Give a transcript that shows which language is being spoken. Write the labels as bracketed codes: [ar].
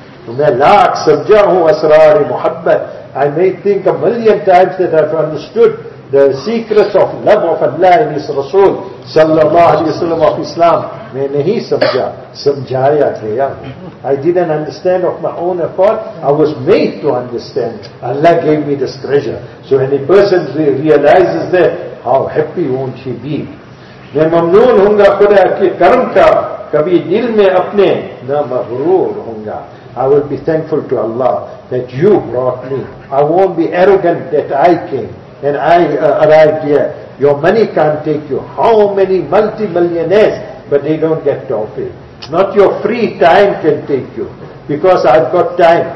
[en] To main laakh samjha hoon asrar-e-muhabbat. I may think a million times that I've understood the secrets of love of Allah and His Rasul sallallahu alayhi wa sallam of Islam. Main nahi samjha, samjhaya gaya. I didn't understand of my own accord, I was made to understand. Allah gave me this treasure. So any person realizes that, how happy won't he be? [ur] میں ممنون ہوں گا خدا کے کرم کا کبھی دل میں اپنے نہ مغرور ہوں گا. [en] I will be thankful to Allah that you brought me. I won't be arrogant that I came and I arrived here. Your money can't take you. How many multi-millionaires, but they don't get off it. Not your free time can take you. Because I've got time.